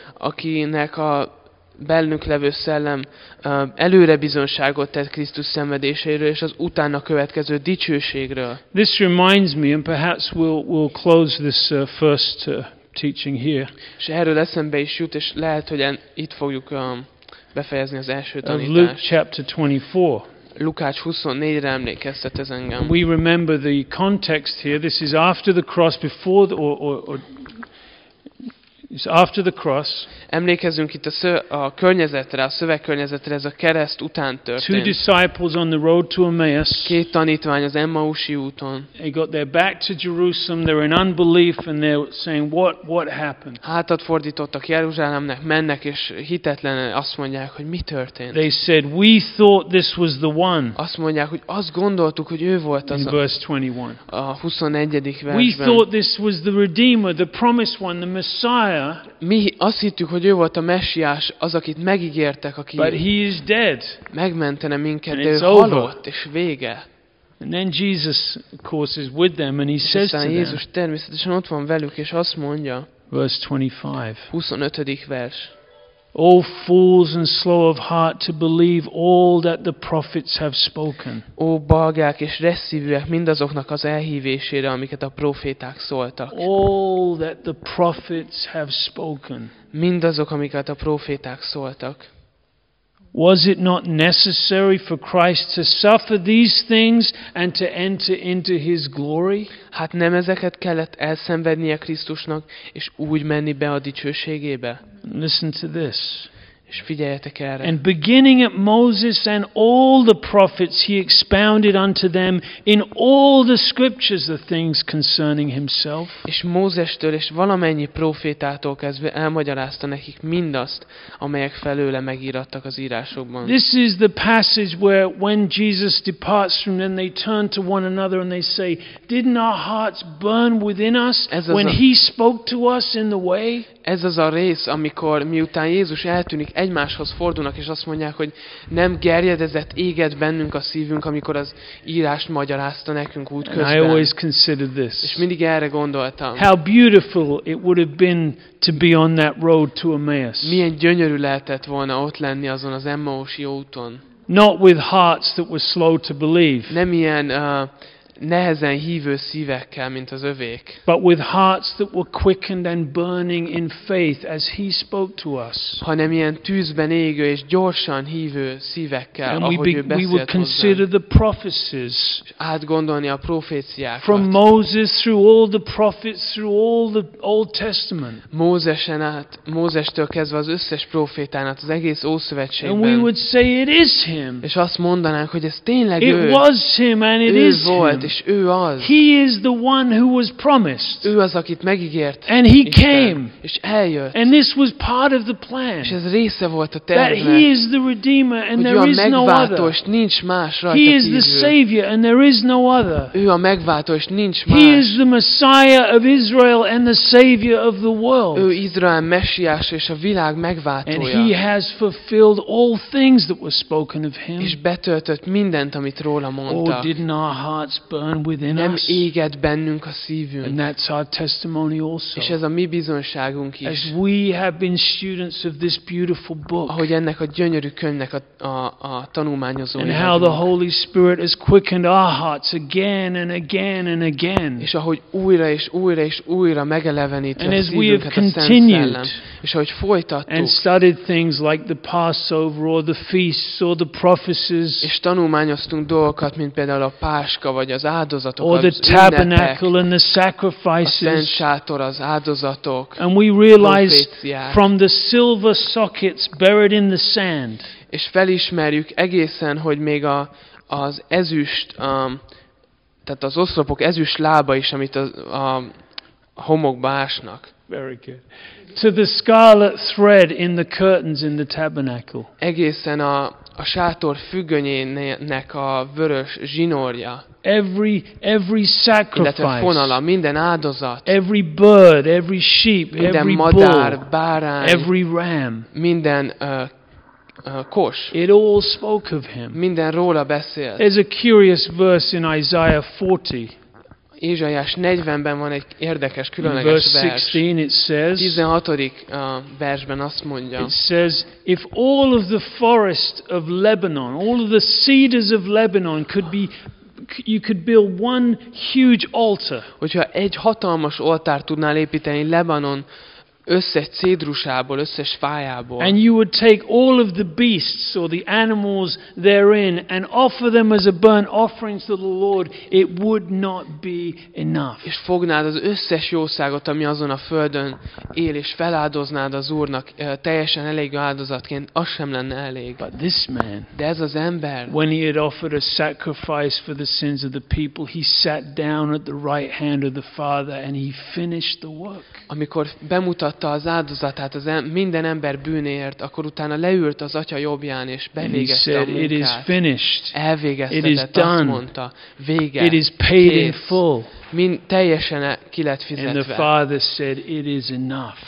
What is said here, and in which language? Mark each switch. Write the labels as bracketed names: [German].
[Hungarian] Akinek a bennünk levő szellem előre bizonságot tett Krisztus szenvedéséről és az utána következő dicsőségről. [English] This reminds me and perhaps we'll close this first teaching here. [Hungarian] És erről eszembe is jut, és lehet, hogy itt fogjuk befejezni az első tanítást. [English] Luke chapter 24. [Hungarian] Lukács 24-re emlékeztet ez engem. [English] We remember the context here. This is after the cross, before the, or it's after the cross. [Hungarian] Emlékezünk itt a környezetre, a szövegkörnyezetre, ez a kereszt után történt. [English] Two disciples on the road to Emmaus. [Hungarian] Két tanítvány az Emmausi úton. [English] They got their back to Jerusalem, they're in unbelief and they're saying what happened? [Hungarian] Hátat fordítottak Jeruzsálemnek, mennek és hitetlenek, azt mondják, hogy mi történt. [English] They said we thought this was the one. [Hungarian] Azt mondják, hogy azt gondoltuk, hogy ő volt az. [English] In verse 21. [Hungarian] A 21. versben. [English] We thought this was the Redeemer, the promised one, the Messiah. [Hungarian] Mi azt hittük, hogy ő volt a Messiás, az, akit megígértek, aki megmentene minket, de ő halott, és vége. [English] And then Jesus, of course, is with them, and he [Hungarian] és [English] says to them, [Hungarian] Jézus természetesen ott van velük, és azt mondja, [English] verse 25. [Hungarian] 25. vers. [English] O fools and slow of heart to believe all that the prophets have spoken. [Hungarian] Ó balgák és resszívűek mindazoknak az elhívésére, amiket a proféták szóltak. [English] All that the prophets have spoken. [Hungarian] Mindazok, amiket a proféták szóltak. [English] Was it not necessary for Christ to suffer these things and to enter into his glory? [Hungarian] Hát nem ezeket kellett elszenvednie Krisztusnak és úgy menni be a dicsőségébe? [English] Listen to this. [Hungarian] És figyeljetek erre. [English] And beginning at Moses and all the prophets he expounded unto them in all the scriptures the things concerning himself. [Hungarian] És Mózestől és valamennyi prófétától kezdve elmagyarázta nekik mindazt, amelyek felőle megírattak az írásokban. [English] This is the passage where when Jesus departs from them they turn to one another and they say, didn't our hearts burn within us when he spoke to us in the way? [Hungarian] Ez az a rész, amikor miután Jézus eltűnik, egymáshoz fordulnak, és azt mondják, hogy nem gerjedezett éget bennünk a szívünk, amikor az írást magyarázta nekünk útközben. [English] And I always considered this. [Hungarian] És mindig erre gondoltam. [English] How beautiful it would have been to be on that road to Emmaus. [Hungarian] Milyen gyönyörű lehetett volna ott lenni azon az Emmausi úton. [English] Not with hearts that were slow to believe. [Hungarian] Nem ilyen nehezen hívő szívekkel, mint az övék. [English] But with hearts that were quickened and burning in faith as he spoke to us. [Hungarian] Hanem ilyen tűzben égő és gyorsan hívő szívekkel, [English] and [Hungarian] ahogy ő beszélt hozzánk. [English] We would consider the prophecies. [Hungarian] Átgondolni a proféciákat. [English] From Moses through all the prophets through all the Old Testament. [Hungarian] Mózesen át, Mózestől kezdve az összes prófétán át, az egész Ószövetségben. [English] And we would say it is him. [Hungarian] És azt mondanánk, hogy ez tényleg [English] it [Hungarian] ő. [English] It was him and it is him. [Hungarian] És ő az. [English] He is the one who was promised. [Hungarian] Ő az, akit megígért. [English] And he came. [Hungarian] És eljött. [English] And this was part of the plan. [Hungarian] És ez része volt a tervnek. [English] That he is the redeemer and there is no other. [Hungarian] Nincs más rajta [English] he is the savior and there is no other. [Hungarian] Ő a megváltó, és nincs más. [English] He is the messiah of Israel and the savior of the world. [Hungarian] Ő Izrael messiása és a világ megváltója. [English] And he has fulfilled all things that were spoken of him. [Hungarian] És betöltött mindent, amit róla mondtak. [English] Oh, didn't our heart burn within [Hungarian] nem éget bennünk a szívünk. [English] And that's our testimony also. [Hungarian] És ez a mi bizonyságunk is. [English] As we have been students of this beautiful book. [Hungarian] Ahogy ennek a gyönyörű könyvnek a tanulmányozói. [English] And how the Holy Spirit has quickened our hearts again and again and again. [Hungarian] És ahogy újra és újra és újra megelevenítette a szívünket a Szent Szellem. [English] And as we have continued. [Hungarian] És ahogy folytattuk. [English] And studied things like the Passover or the feasts or the prophecies. [Hungarian] És tanulmányoztunk dolgokat, mint például a Pás vagy az áldozatok, [English] or the tabernacle and the sacrifices, [Hungarian] a szent sátor, az áldozatok, [English] and we realize from the silver sockets buried in the sand, [Hungarian] és felismerjük egészen, hogy még az ezüst, tehát az oszlopok ezüst lába is, amit a homokba ásnak. [English] Very good. To the scarlet thread in the curtains in the tabernacle. [Hungarian] Egészen a sátor függönyének a vörös zsinórja. [English] Every sacrifice. [Hungarian] Illetve fonala, minden áldozat. [English] Every bird, every sheep, [Hungarian] minden [English] every [Hungarian] madár, [English] bull, [Hungarian] bárány. [English] Every ram. [Hungarian] Minden kos. [English] It all spoke of him. [Hungarian] Minden róla beszélt. [English] There's a curious verse in Isaiah 40. [Hungarian] Ézsaiás 40-ben van egy érdekes, különleges [English] verse [Hungarian] vers. [English] 16, it says, [Hungarian] 16. Versben azt mondja. [English] It says, if all of the forest of Lebanon, all of the cedars of Lebanon could be, you could build one huge altar. [Hungarian] Hogyha egy hatalmas oltár tudnál építeni Lebanon összes cédrusából, összes fájából. [English] And you would take all of the beasts or the animals therein and offer them as a burnt offering to the Lord, it would not be enough. [Hungarian] És fognád az összes jószágot, ami azon a földön él, és feláldoznád az Úrnak teljesen elég áldozatként, az sem lenne elég. [English] But this man, [Hungarian] de ez az ember, [English] when he had offered a sacrifice for the sins of the people, he sat down at the right hand of the Father and he finished the work. [Hungarian] Amikor bemutat adta az áldozatát az minden ember bűnéért, akkor utána leült az Atya jobbján és bevégezte [English] It is finished. [Hungarian] Elvégezte, azt mondta, vége. [English] It is paid in full. [Hungarian] Mind teljesen ki lett fizetve. [English] And the Father said, it is enough.